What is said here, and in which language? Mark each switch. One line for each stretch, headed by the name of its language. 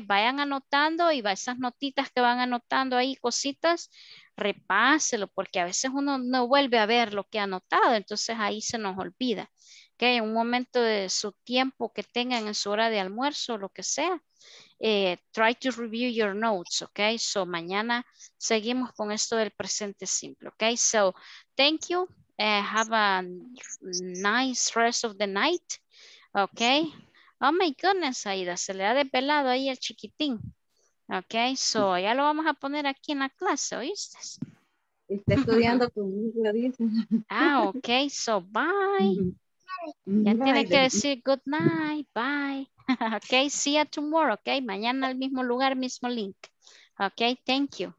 Spanish: Vayan anotando y esas notitas que van anotando ahí, cositas, repáselo, porque a veces uno no vuelve a ver lo que ha anotado, entonces ahí se nos olvida, okay? Un momento de su tiempo que tengan en su hora de almuerzo o lo que sea.
English: Try to review your notes, okay? So
Spanish: mañana seguimos con esto del presente simple,
English: okay? So thank you. Have a nice rest of the night, okay?
Spanish: Oh my goodness, Aida, se le ha desvelado ahí el chiquitín, okay? So ya lo vamos a poner aquí en la clase, ¿oíste? Está estudiando conmigo,
English: dice. Ah, okay. So bye. Ya bye,
Spanish: tiene que decir
English: good night, bye. Okay, see you tomorrow, okay?
Spanish: Mañana al mismo lugar, mismo link.
English: Okay, thank you.